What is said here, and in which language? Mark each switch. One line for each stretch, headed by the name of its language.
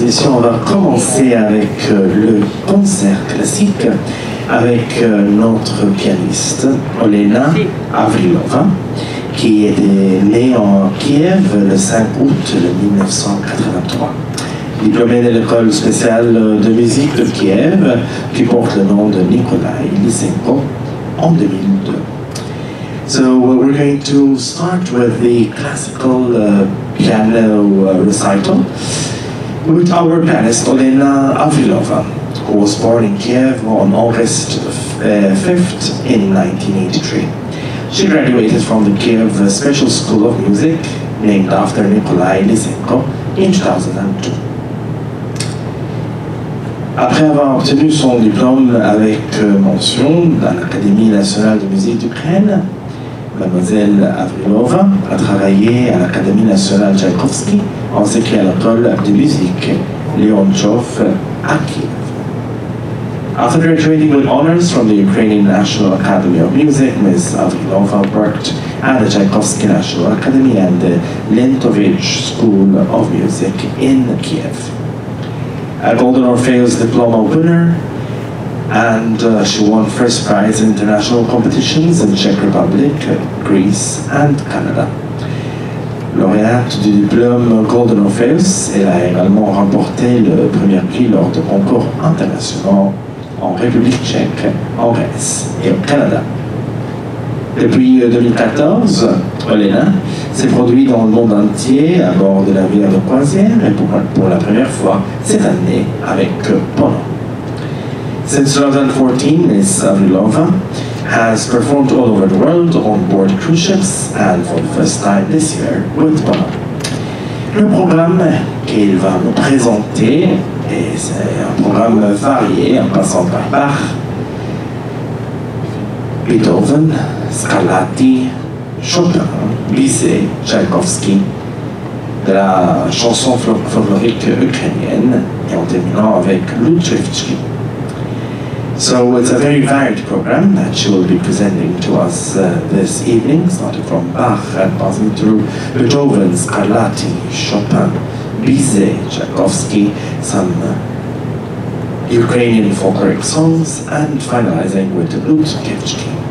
French: On va commencer avec le concert classique avec notre pianiste Olena Avrilova, qui est née en Kiev le 5 août 1983. Diplômée de l'École spéciale de musique de Kiev, qui porte le nom de Nikolai Lysenko en 2002.
English: So we're going to start with the classical piano recital with our pianist Olena Avrilova, who was born in Kiev on August 5th in 1983. She graduated from the Kiev Special School of Music, named after Nikolai Lysenko, in 2002.
French: Après avoir obtenu son diplôme avec mention dans l'Académie nationale de musique d'Ukraine, Mademoiselle Avrilova a travaillé à l'Académie nationale Tchaïkovski, ainsi qu'à l'École de musique Leontchov à Kiev.
English: After graduating with honors from the Ukrainian National Academy of Music, Ms. Avrilova worked at the Tchaikovsky National Academy and the Lentovich School of Music in Kiev. A Golden Orpheus Diploma winner, and she won first prize in international competitions in Czech Republic, Greece, and Canada.
French: Lauréate du diplôme Golden Orpheus, elle a également remporté le premier prix lors de concours internationaux en République tchèque, en Grèce et au Canada. Depuis 2014, Olena s'est produite dans le monde entier à bord de navires de croisière et pour la première fois cette année avec Pono.
English: Since 2014, Ms. Avrilova has performed all over the world on board cruise ships and for the first time this year with Pono.
French: Le programme qu'elle va nous présenter, et c'est un programme varié en passant par Bach, Beethoven, Scarlatti, Chopin, Bizet, Tchaïkovski, de la chanson folklorique ukrainienne et en terminant avec Lutrevski.
English: So it's a very varied program that she will be presenting to us this evening, starting from Bach and passing through Beethoven, Scarlatti, Chopin, Bizet, Tchaikovsky, some Ukrainian folkloric songs, and finalizing with Lutkevichki.